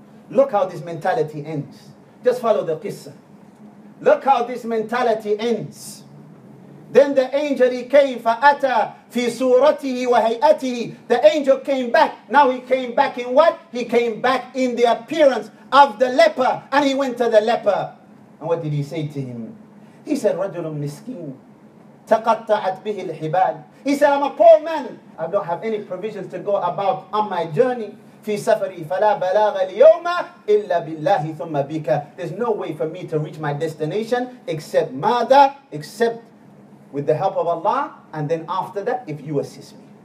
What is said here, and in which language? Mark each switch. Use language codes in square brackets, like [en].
[en] Look how this mentality ends. Just follow the qissa. Look how this mentality ends. Then the angel, he came, [ar] fa'ata fi suratihi wa hay'atihi. [en] The angel came back. Now he came back in what? He came back in the appearance of the leper. And he went to the leper. And what did he say to him? He said, [ar] رَجُلٌ مِسْكِينٌ تَقَطَّعَتْ بِهِ الْحِبَالِ. [en] He said, I'm a poor man. I don't have any provisions to go about on my journey. [ar] فِي سَفَرِي فَلَا بَلَاغَ الْيَوْمَ إِلَّا بِاللَّهِ ثُمَّ بِكَ. [en] There's no way for me to reach my destination except [ar] ماذا? [en] Except with the help of Allah. And then after that, if you assist me.